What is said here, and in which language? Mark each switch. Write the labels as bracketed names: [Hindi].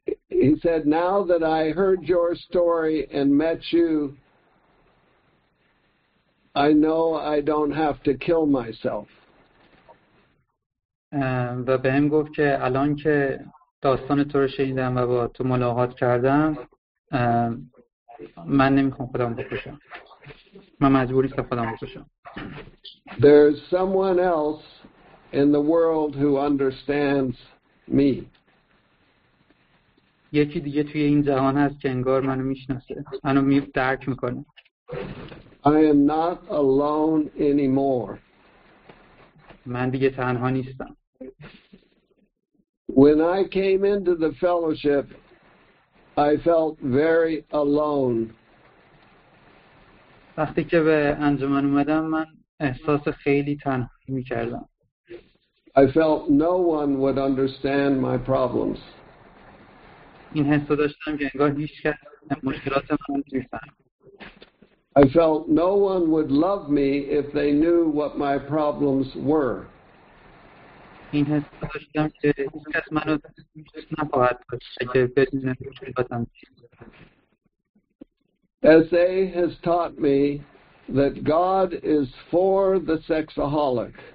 [English] He said, now that I heard your story and met you, I know I don't have to kill myself. [Persian] و به هم گفت که الان که داستان تو رو شنیدم و با تو ملاقات کردم من نمیخوام خودم بکشم. من مجبور نیستم خودم بکشم. [English] There's someone else in the world who understands me. [Persian] یکی دیگه توی این جهان هست که انگار منو میشناسه. منو درک میکنه. [English] I am not alone anymore. [Persian] من دیگه تنها نیستم. [English] When I came into the fellowship, I felt very alone. [Persian] وقتی که به انجمن اومدم من احساس خیلی تنهایی میکردم. [English] I felt no one would understand my problems. [Persian] این حس رو داشتم که انگار هیچ کس مشکلات من رو نمی‌فهمه. [English] I felt no one would love me if they knew what my problems were. [Persian] این حس رو داشتم که هیچ کس من رو دوست نخواهد داشت اگه بدون مشکلاتم. [English] SA has taught me that God is for the sexaholic.